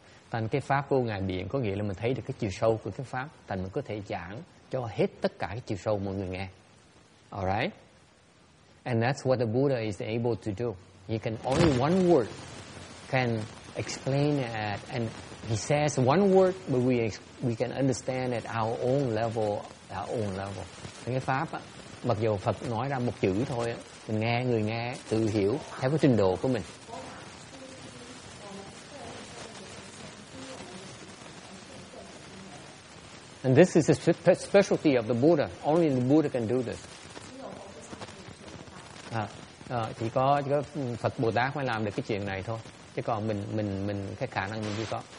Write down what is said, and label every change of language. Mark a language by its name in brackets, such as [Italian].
[Vietnamese] Thành cái pháp vô ngại biển có nghĩa là mình thấy được cái chiều sâu của cái pháp, thành mình có thể giảng cho hết tất cả cái chiều sâu mọi người nghe. [English] Alright? And that's what the Buddha is able to do. He can only one word can explain it, and he says one word, but we can understand at our own level, our own level. [Vietnamese] Cái pháp á, mặc dù Phật nói ra một chữ thôi á, mình nghe, người nghe tự hiểu theo cái trình độ của mình. [English] And this is a specialty of the Buddha. Only the Buddha can do this. [Vietnamese] Chỉ có Phật Bồ Tát mới làm được cái chuyện này thôi. Chứ còn mình cái khả năng mình chưa có.